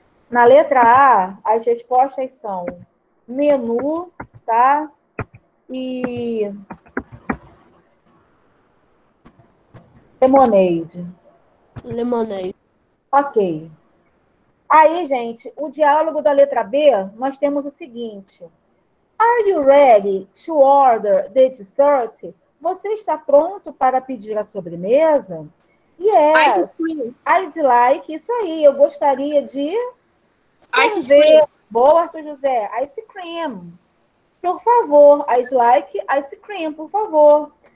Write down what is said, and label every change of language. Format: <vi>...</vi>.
<pt>Na letra A, as respostas são menu, tá? E lemonade. Ok. Aí, gente, o diálogo da letra B, nós temos o seguinte.</pt> <en>Are you ready to order the dessert?</en> <pt>Você está pronto para pedir a sobremesa?</pt> <en>Yes. I'd like.</en> <pt>Isso aí, eu gostaria de...</pt> <en>Ice cream. Boa, Arthur José. Ice cream.</en> <pt>Por favor,</pt> <en>I'd like ice cream,</en> <pt>por favor.</pt>